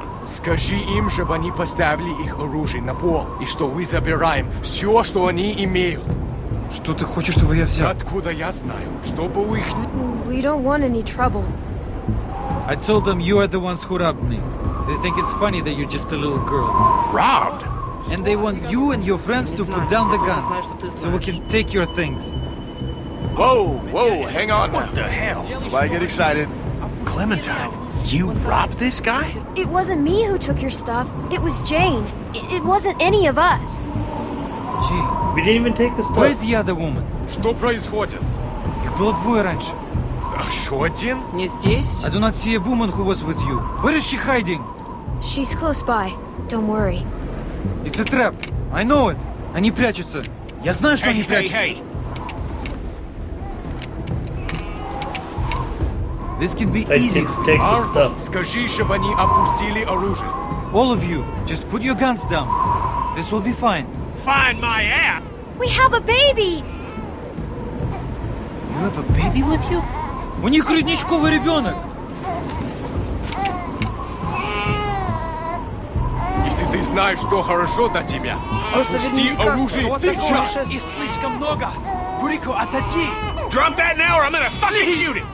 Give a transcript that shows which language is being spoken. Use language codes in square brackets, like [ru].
[ru] Скажи им, чтобы они поставили их оружие на пол, и что мы забираем все, что они имеют. Что ты хочешь, чтобы я взял? Откуда я знаю? Чтобы у их... [en] We don't want any trouble. I told them you are the ones who robbed me. They think it's funny that you're just a little girl. Robbed? And they want you and your friends to put down the guns, so we can take your things. Whoa, hang on. What the hell? Why get excited? Clementine, you robbed this guy? It wasn't me who took your stuff. It was Jane. It wasn't any of us. Gee. We didn't even take the stuff. Where's the other woman? [ru] Что происходит? Их было двое раньше. Еще один? Не здесь. [en] I do not see a woman who was with you. Where is she hiding? She's close by. Don't worry. It's a trap. I know it. [ru] Они прячутся. Я знаю, что они прячутся. [en] Hey. This can be easy. Arvo, [ru] скажи, чтобы они опустили оружие. [en] All of you, just put your guns down. This will be fine. Find my ass. We have a baby. You have a baby with you? [ru] У них родничковый ребенок. Если ты знаешь, что хорошо для тебя, опусти оружие сейчас. И слишком много. Бурико, отойди. [en] Drop that now or I'm gonna fucking shoot it!